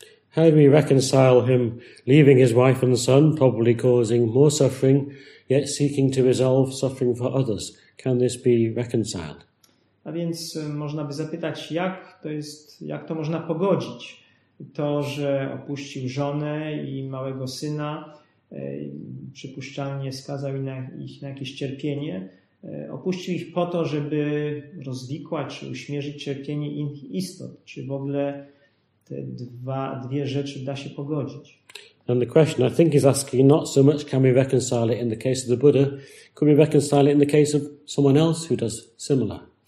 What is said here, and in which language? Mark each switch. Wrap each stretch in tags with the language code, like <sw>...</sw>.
<en>How do we reconcile him leaving his wife and son, probably causing more suffering, yet seeking to resolve suffering for others? Can this be reconciled?</en> <pl>A więc można by zapytać, jak to można pogodzić? To, że opuścił żonę i małego syna, przypuszczalnie skazał ich na jakieś cierpienie, opuścił ich po to, żeby rozwikłać czy uśmierzyć cierpienie innych istot. Czy w ogóle te dwie rzeczy da się pogodzić?</pl> <en>And the question I think is asking not so much can we reconcile it in the case of the Buddha, could we reconcile it in the case of someone else who does similar?</en>